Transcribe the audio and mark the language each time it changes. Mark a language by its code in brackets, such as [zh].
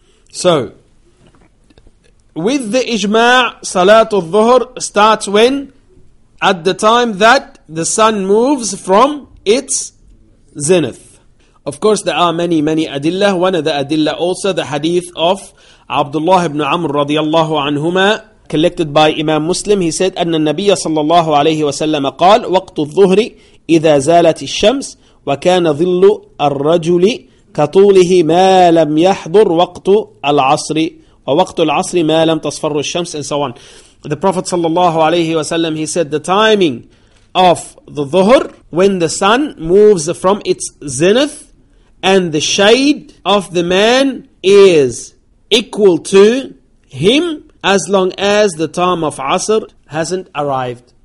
[en] So, with the ijma' salat al-dhuhr starts when? At the time that the sun moves from its zenith. Of course, there are many adillah. One of the adillah also, the hadith of Abdullah ibn Amr radiallahu anhuma, collected by Imam Muslim. He said, [ar] أن النبي صلى الله عليه وسلم قال, وقت الظهر إذا زالت الشمس وكان ظل الرجل كطوله ما لم يحضر وقت العصر ووقت العصر ما لم تصفر الشمس, [en] and so on. The Prophet sallallahu alayhi wa sallam, he said, the timing of the dhuhr, when the sun moves from its zenith, and the shade of the man is equal to him, as long as the time of asr hasn't arrived.